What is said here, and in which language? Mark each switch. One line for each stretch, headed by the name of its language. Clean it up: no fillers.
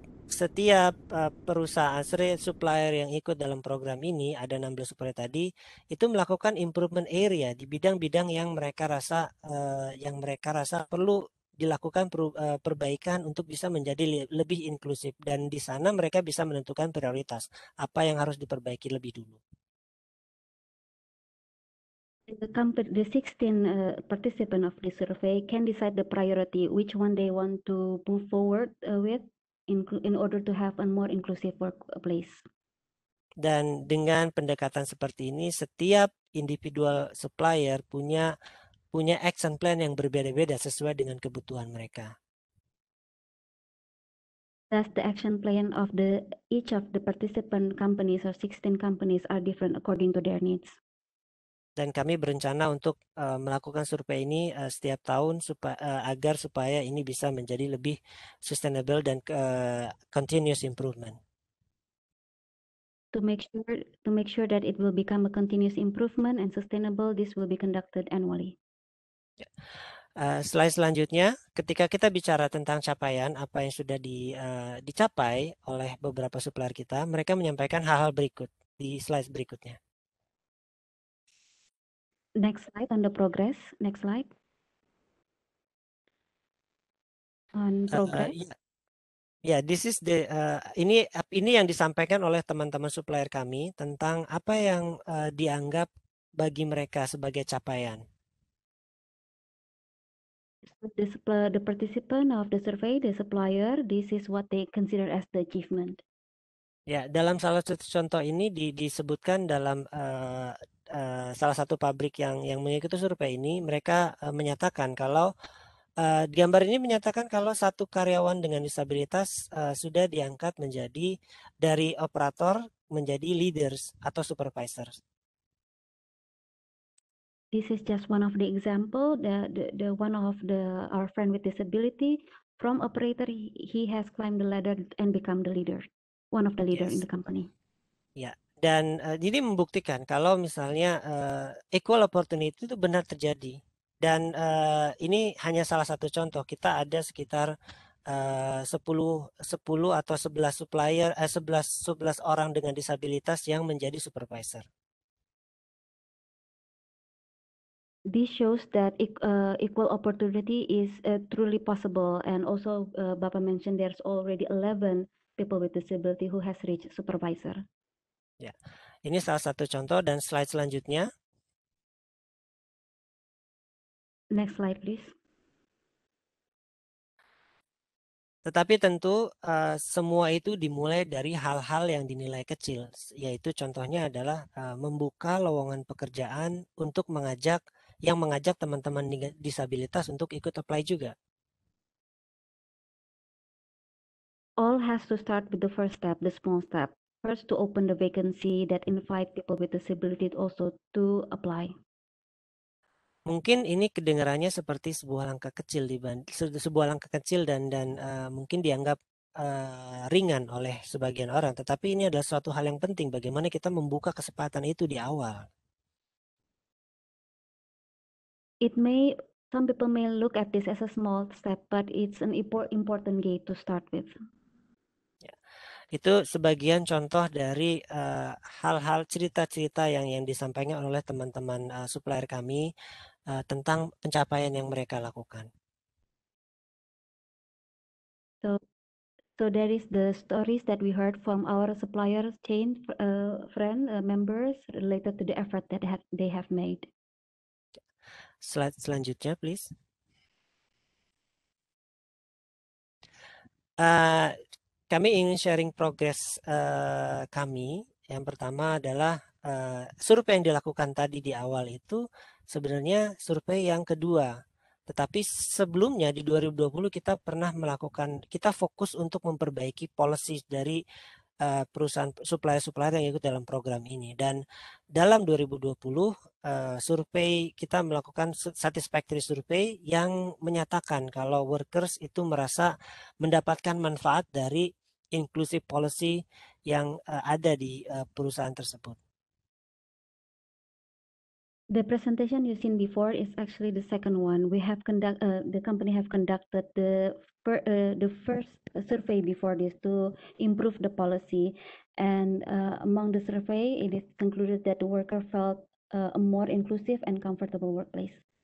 Indonesian: Setiap perusahaan supplier yang ikut dalam program ini, ada 16 supplier tadi, itu melakukan improvement area di bidang-bidang yang mereka rasa perlu dilakukan perbaikan untuk bisa menjadi lebih inklusif, dan di sana mereka bisa menentukan prioritas apa yang harus diperbaiki lebih dulu.
English: The 16 participant of the survey can decide the priority which one they want to move forward with in order to have a more inclusive workplace.
Indonesian: Dan dengan pendekatan seperti ini, setiap individual supplier punya action plan yang berbeda-beda sesuai dengan kebutuhan mereka.
English: Thus, the action plan of each of the participant companies or 16 companies are different according to their needs.
Indonesian: Dan kami berencana untuk melakukan survei ini setiap tahun agar supaya ini bisa menjadi lebih sustainable dan continuous improvement.
English: to make sure that it will become a continuous improvement and sustainable, this will be conducted annually.
Indonesian: Slide selanjutnya, ketika kita bicara tentang capaian, apa yang sudah dicapai oleh beberapa supplier kita, mereka menyampaikan hal-hal berikut di slide berikutnya.
English: Next slide on the progress. Next slide. On progress. This is the
Indonesian: ini yang disampaikan oleh teman-teman supplier kami tentang apa yang dianggap bagi mereka sebagai capaian.
English: The participant of the survey, the supplier, this is what they consider as the achievement.
Indonesian: Dalam salah satu contoh ini disebutkan dalam salah satu pabrik yang mengikuti survei ini, mereka menyatakan kalau gambar ini menyatakan kalau satu karyawan dengan disabilitas sudah diangkat menjadi dari operator menjadi leaders atau supervisors.
English: This is just one of the example, the one of the our friend with disability from operator he has climbed the ladder and become the leader, one of the leader in the company.
Indonesian: Dan ini membuktikan kalau misalnya equal opportunity itu benar terjadi. Dan ini hanya salah satu contoh. Kita ada sekitar 10 atau 11 supplier, 11 orang dengan disabilitas yang menjadi supervisor.
English: This shows that equal opportunity is truly possible. And also Bapak mentioned there's already 11 people with disability who has reached supervisor.
Indonesian: Ini salah satu contoh dan slide selanjutnya.
English: Next slide, please.
Indonesian: Tetapi tentu semua itu dimulai dari hal-hal yang dinilai kecil, yaitu contohnya adalah membuka lowongan pekerjaan untuk mengajak teman-teman disabilitas untuk ikut apply juga.
English: All has to start with the first step, the small step. First to open the vacancy that invite people with disability also to apply.
Indonesian: Mungkin ini kedengarannya seperti sebuah langkah kecil dan mungkin dianggap ringan oleh sebagian orang, tetapi ini adalah suatu hal yang penting bagaimana kita membuka kesempatan itu di awal.
English: Some people may look at this as a small step, but it's an important gate to start with.
Indonesian: Itu sebagian contoh dari hal-hal cerita-cerita yang disampaikan oleh teman-teman supplier kami tentang pencapaian yang mereka lakukan.
English: So there is the stories that we heard from our supplier chain members related to the effort that they have made.
Indonesian: Slide selanjutnya,
English: please.
Indonesian: Kami ingin sharing progres kami. Yang pertama adalah survei yang dilakukan tadi di awal itu sebenarnya survei yang kedua. Tetapi sebelumnya di 2020 kita pernah melakukan, kita fokus untuk memperbaiki policy dari perusahaan supplier-supplier yang ikut dalam program ini. Dan dalam 2020 survei kita melakukan satisfactory survey yang menyatakan kalau workers itu merasa mendapatkan manfaat dari inclusive policy yang ada di perusahaan tersebut.
English: The presentation you've seen before is actually the second one. The company have conducted the first survey before this to improve the policy. And among the survey, it is concluded that the worker felt a more inclusive and comfortable workplace.